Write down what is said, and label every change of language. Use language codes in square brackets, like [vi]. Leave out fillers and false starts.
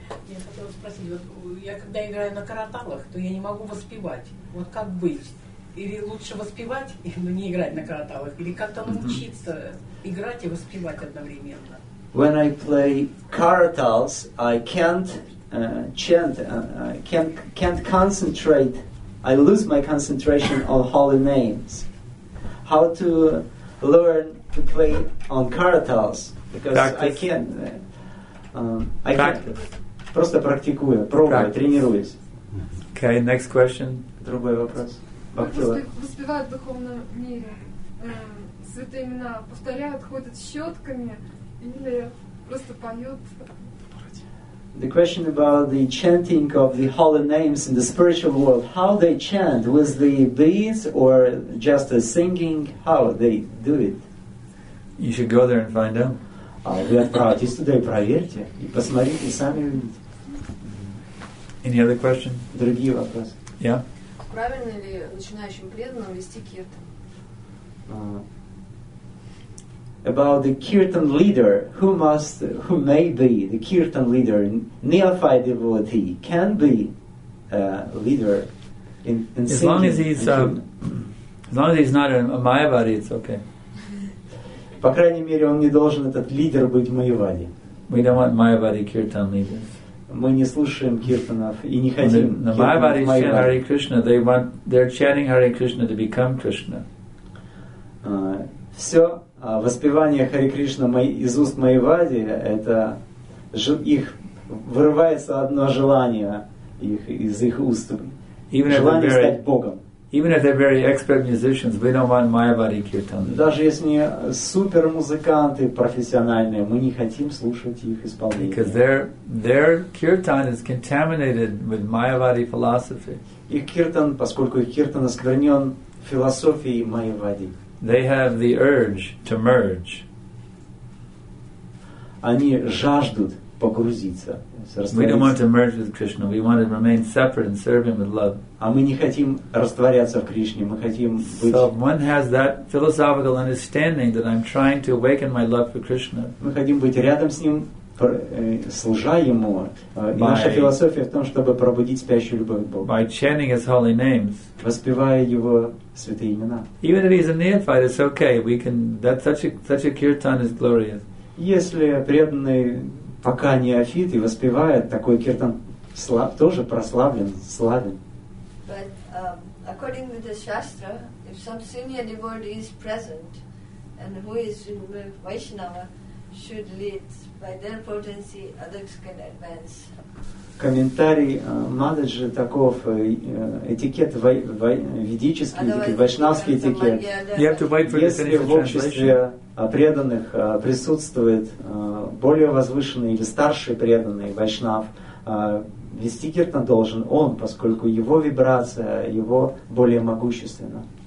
[ru] Я хотела спросить, вот я когда играю на караталах, то я не могу воспевать. Вот как быть? Или лучше воспевать, но не играть на караталах, или как-то научиться играть и воспевать одновременно? [en] When I play karatals, I can't chant, can't concentrate. I lose my concentration on holy names. How to learn to play on karatals because practice. I can't. Practice. [ru] Тренируюсь. [en] Okay, next question. [ru] Другой вопрос. Воспевают в духовном мире. Святые имена повторяют, ходят щетками или просто поют. [en] The question about the chanting of the holy names in the spiritual world, how they chant, with the beads or just a singing, how they do it? You should go there and find out. [ru] Вы отправитесь туда и проверьте, и посмотрите сами. [en] Any other question? [ru] Другие вопросы? [en] Yeah? [ru] Правильно ли начинающим преданным вести киртан? [en] About the kirtan leader, who may be the kirtan leader, neophyte devotee can be a leader in as long as he's as long as he's not a mayavadi, it's okay. [ru] По крайней мере, он не должен этот лидер быть майявади. [en] We don't want mayavadi kirtan leaders. [ru] Мы не слушаем киртанов и не хотим. [en] The mayavadis chant Hare Krishna. They're chanting Hare Krishna to become Krishna. [ru] Все. Воспевание Хари Кришна из уст Майявади это их вырывается одно желание их из их уст желание стать Богом. [en] Even if they're very expert musicians, we don't want Mayavadi kirtan. [ru] Даже если они супер музыканты профессиональные, мы не хотим слушать их исполнение. [en] Because their kirtan is contaminated with Mayavadi philosophy. [ru] Их киртан, поскольку их киртан осквернен философией Майявади. [en] They have the urge to merge. [ru] Они жаждут погрузиться. [en] We don't want to merge with Krishna. We want to remain separate and serve Him with love. [ru] А мы не хотим растворяться в Кришне. Мы хотим быть. [en] So one has that philosophical understanding that I'm trying to awaken my love for Krishna. [ru] Мы хотим быть рядом с Ним, служа Ему. Наша философия в том, чтобы пробудить спящую любовь к Богу. [en] By chanting His holy names. [ru] Воспевая Его святые имена. [en] Even if he's a neophyte, it's okay. We can. That such a kirtan is glorious. [ru] Если преданный пока неофит и воспевает такой киртан, тоже прославлен, славен. [en] But according to the shastra, if some senior devotee is present, and who is Vaishnava, should lead by their potency, others can advance. [ru] Комментарий Мададжи таков, этикет ведический, вайшнавский этикет. Если в обществе преданных присутствует более возвышенный или старший преданный вайшнав, вести киртан должен он, поскольку его вибрация, его более могущественна.